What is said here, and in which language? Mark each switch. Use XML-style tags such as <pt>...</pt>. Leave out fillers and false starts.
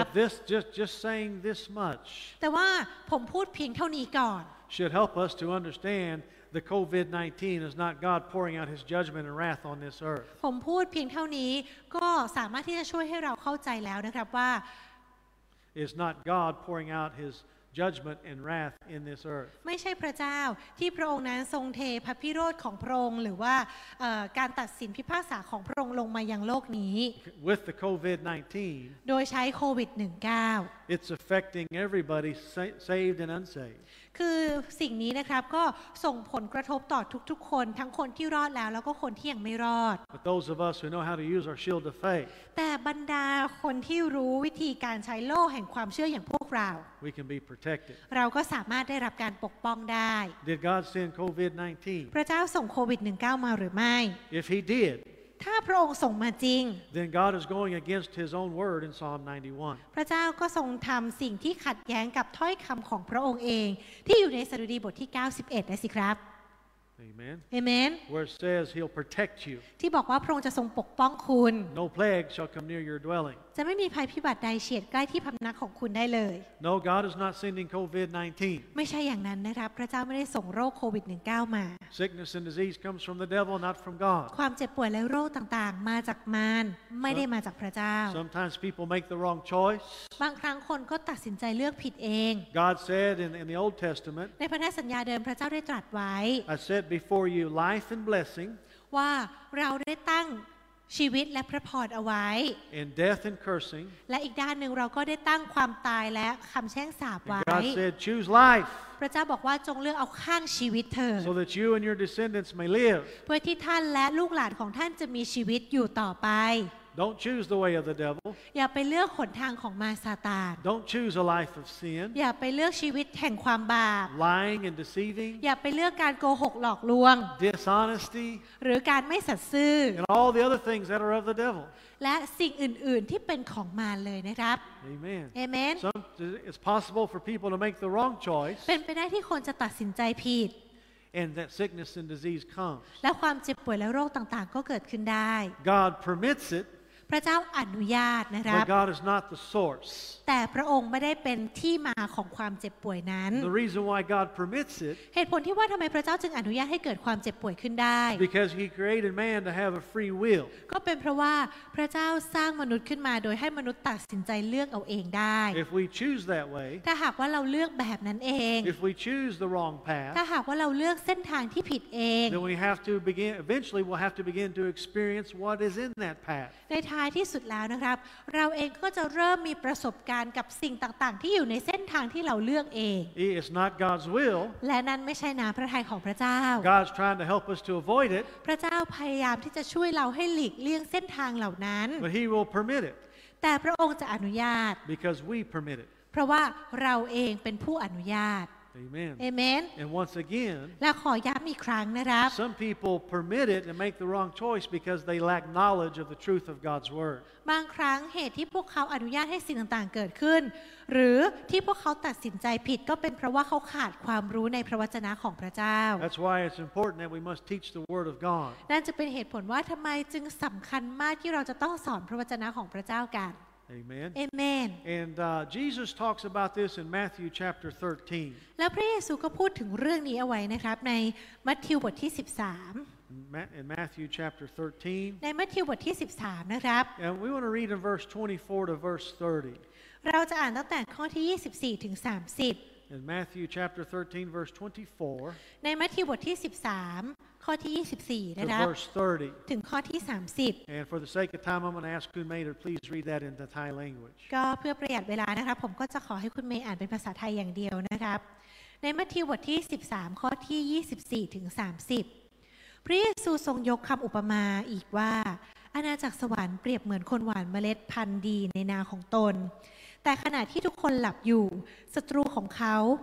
<en>But this just saying this much</en> <th>แต่ว่าผมพูดเพียงเท่านี้ก่อน</th> <en>should help us to understand the COVID-19 is not God pouring out His judgment and wrath on this earth</en> <th>ผมพูดเพียงเท่านี้ก็สามารถที่จะช่วยให้เราเข้าใจแล้วนะครับว่า</th> <en>is not God pouring out HisJudgment and wrath in this earth.</en> <th>ไม่ใช่พระเจ้าที่พระองค์นั้นทรงเทพระพิโรธของพระองค์หรือว่าการตัดสินพิพากษาของพระองค์ลงมายังโลกนี้</th> <en>With the COVID-19.</en> <th>โดยใช้โควิด-19.</th> <en>It's affecting everybody, saved and unsaved.</en> <th>คือสิ่งนี้นะครับก็ส่งผลกระทบต่อทุกๆคนทั้งคนที่รอดแล้วแล้วก็คนที่ยังไม่รอด</th> <en>But those of us who know how to use our shield of faith</en> <th>แต่บรรดาคนที่รู้วิธีการใช้โล่แห่งความเชื่ออย่างพวกเรา</th> <en>We can be protected</en> <th>เราก็สามารถได้รับการปกป้องได้</th> <en>Did God send COVID-19</en> <th>พระเจ้าส่งโควิด-19 มาหรือไม่</th> <en>If he did</en> <th>ถ้าพระองค์ส่งมาจริง</th> <en>Then God is going against his own word in Psalm 91.</en> <th>พระเจ้าก็ทรงทำสิ่งที่ขัดแย้งกับถ้อยคำของพระองค์เองที่อยู่ในสดุดีบทที่91นะสิครับ</th> <en>Amen. Amen. Where it says he'll protect you.</en> <th>ที่บอกว่าพระองค์จะทรงปกป้องคุณ</th> <en>No plague shall come near your dwelling.</en> <th>จะไม่มีภัยพิบัติใดเฉียดใกล้ที่พำนักของคุณได้เลย</th> <en>No, God is not sending COVID-19.</en> <th>ไม่ใช่อย่างนั้นนะครับพระเจ้าไม่ได้ส่งโรคโควิด-19 มา</th> <en>Sickness and disease comes from the devil, not from God.</en> <th>ความเจ็บป่วยและโรคต่างๆมาจากมารไม่ได้มาจากพระเจ้า</th> <en>Sometimes people make the wrong choice.</en> <th>บางครั้งคนก็ตัดสินใจเลือกผิดเอง</th> <en>God said in the Old Testament.</en> <th>ในพันธสัญญาเดิมพระเจ้าได้ตรัสไว้</th> <en>I said before you life and blessing</en> <th>ว่าเราได้ตั้งชีวิตและพระพรเอาไว้</th> <en>and death and cursing</en> <th>และอีกด้านนึงเราก็ได้ตั้งความตายและคำแช่งสาปไว้</th> <en>God said choose life</en> <th>พระเจ้าบอกว่าจงเลือกเอาข้างชีวิตเถอะ</th> <en>so that you and your descendants may live</en> <th>เพื่อที่ท่านและลูกหลานของท่านจะมีชีวิตอยู่ต่อไป</th> <en>Don't choose the way of the devil.</en> <th>อย่าไปเลือกหนทางของมารซาตาน</th> <en>Don't choose a life of sin.</en> <th>อย่าไปเลือกชีวิตแห่งความบาป</th> <en>Lying and deceiving.</en> <th>อย่าไปเลือกการโกหกหลอกลวง</th> <en>Dishonesty.</en> <th>หรือการไม่สัตย์ซื่อ</th> <en>And all the other things that are of the devil.</en> <th>และสิ่งอื่นๆที่เป็นของมารเลยนะครับ</th> <en>Amen. Amen. It's possible for people to make the wrong choice.</en> <th>เป็นไปได้ที่คนจะตัดสินใจผิด</th> <en>And that sickness and disease comes.</en> <th>และความเจ็บป่วยและโรคต่างๆก็เกิดขึ้นได้</th> <en>God permits it.</en> <th>พระเจ้าอนุญาตนะครับ</th> <en>But God is not the source.</en> <th>แต่พระองค์ไม่ได้เป็นที่มาของความเจ็บป่วยนั้น</th> <en>The reason why God permits it.</en> <th>เหตุผลที่ว่าทำไมพระเจ้าจึงอนุญาตให้เกิดความเจ็บป่วยขึ้นได้</th> <en>Because he created man to have a free will.</en> <th>ก็เป็นเพราะว่าพระเจ้าสร้างมนุษย์ขึ้นมาโดยให้มนุษย์ตัดสินใจเลือกเอาเองได้</th> <en>If we choose that way.</en> <th>ถ้าหากว่าเราเลือกแบบนั้นเอง</th> <en>If we choose the wrong path.</en> <th>ถ้าหากว่าเราเลือกเส้นทางที่ผิดเอง</th> <en>Then we have to begin. Eventually, we'll have to begin to experience what is in that path.</en> <th>ในท้ายที่สุดแล้วนะครับเราเองก็จะเริ่มมีประสบการณ์กับสิ่งต่างๆที่อยู่ในเส้นทางที่เราเลือกเอง</th> <en>It is not God's will</en> <th>และนั้นไม่ใช่น้ำพระทัยของพระเจ้า</th> <en>God's trying to help us to avoid it</en> <th>พระเจ้าพยายามที่จะช่วยเราให้หลีกเลี่ยงเส้นทางเหล่านั้น</th> <en>But he will permit it</en> <th>แต่พระองค์จะอนุญาต</th> <en>because we permit it</en> <th>เพราะว่าเราเองเป็นผู้อนุญาต</th> <en>Amen. Amen. And once again,</en> <th>และขอย้ำอีกครั้งนะครับ</th> <en>Some people permit it and make the wrong choice because they lack knowledge of the truth of God's word.</en> <th>บางครั้งเหตุที่พวกเขาอนุญาตให้สิ่งต่างๆเกิดขึ้นหรือที่พวกเขาตัดสินใจผิดก็เป็นเพราะว่าเขาขาดความรู้ในพระวจนะของพระเจ้า</th> <en>That's why it's important that we must teach the word of God.</en> <th>นั่นจะเป็นเหตุผลว่าทำไมจึงสำคัญมากที่เราจะต้องสอนพระวจนะของพระเจ้ากัน</th> <en>Amen. Amen. And Jesus talks about this in Matthew chapter 13.</en> <th>แล้วพระเยซูก็พูดถึงเรื่องนี้เอาไว้นะครับในมัทธิวบทที่13</th> <en>In Matthew chapter 13.</en> <th>ในมัทธิวบทที่13นะครับ</th> <en>And we want to read in verse 24 to verse 30.</en> <th>เราจะอ่านตั้งแต่ข้อที่24ถึง30</th> <en>In Matthew chapter 13 verse 24.</en> <th>ในมัทธิวบทที่13ข้อที่24นะครับ</th> <en>verse 30</en> <th>ถึงข้อที่30</th> <en>and for the sake of time I'm going to ask คุณเมย์ to please read that in the Thai language</en> <th>ก็เพื่อประหยัดเวลานะครับผมก็จะขอให้คุณเมย์อ่านเป็นภาษาไทยอย่างเดียวนะครับในมัทธิวบทที่13ข้อที่24ถึง30พระเยซูทรงยกคำอุปมาอีกว่าอาณาจักรสวรรค์เปรียบเหมือนคนหว่านเมล็ดพันธุ์ดีในนาของตนแต่ขณะที่ทุกคนหลับอยู่ศัตรูของเขา</th>